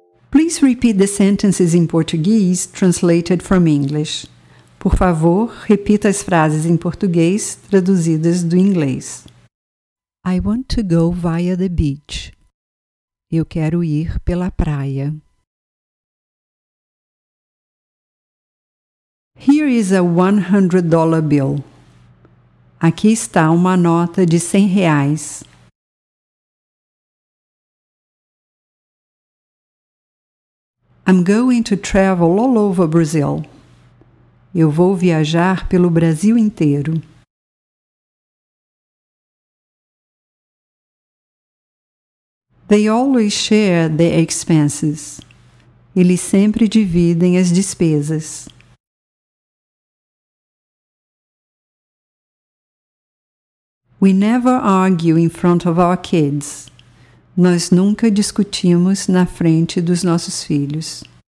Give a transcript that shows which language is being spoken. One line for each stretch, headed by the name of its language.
English: Please repeat the sentences in Portuguese translated from English.
Portuguese: Por favor, repita as frases em português traduzidas do inglês.
English: I want to go via the beach.
Portuguese: Eu quero ir pela praia.
English: Here is a $100 bill.
Portuguese: Aqui está uma nota de 100 reais.
English: I'm going to travel all over Brazil.
Portuguese: Eu vou viajar pelo Brasil inteiro.
English: They always share their expenses.
Portuguese: Eles sempre dividem as despesas.
English: We never argue in front of our kids.
Portuguese: Nós nunca discutimos na frente dos nossos filhos.